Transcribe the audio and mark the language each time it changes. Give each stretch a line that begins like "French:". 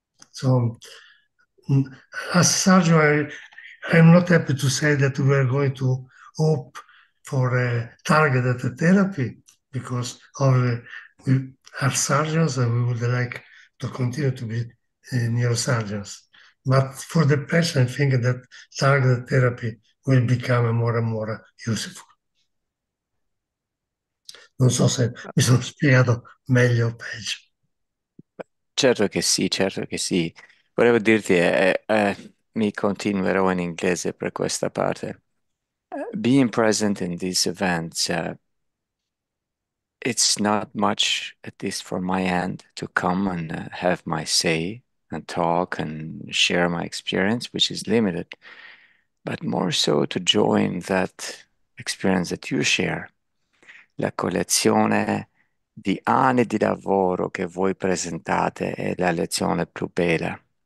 English: So as surgeon, I'm not happy to say that we are going to hope for a targeted therapy, because we are surgeons and we would like to continue to be neurosurgeons. But for the patient, I think that targeted therapy will become more and more useful.
Italian: Non so se mi sono spiegato meglio o peggio. Certo che sì, certo che sì. Volevo dirti, mi continuerò in inglese per questa parte.
English: Being present in these events, it's not much, at least for my end, to come and have my say and talk and share my experience, which is limited, but more so to join that experience that you share.
Italian: La collezione di anni di lavoro che voi presentate è la lezione più bella.